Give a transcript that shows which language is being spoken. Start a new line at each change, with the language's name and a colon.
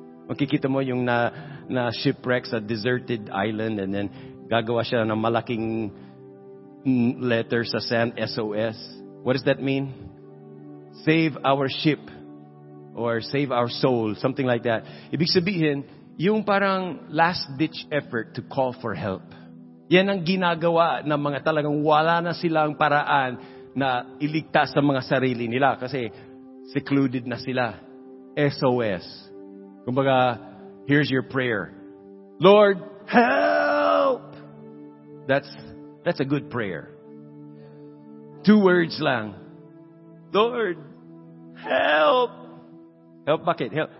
Filipino: Makikita mo yung na shipwreck sa deserted island and then gagawa siya ng malaking letter sa sand, SOS.
English: What does that mean? Save our ship or save our soul, something like that.
Filipino: Ibig sabihin, yung parang
English: last ditch effort to call for help.
Filipino: Yan ang ginagawa ng mga talagang wala na silang paraan na iligtas ang mga sarili nila kasi secluded na sila.
English: SOS.
Filipino: Kumbaga,
English: here's your prayer. Lord, help! That's a good prayer. Two words lang. Lord, help! Help bakit? Help.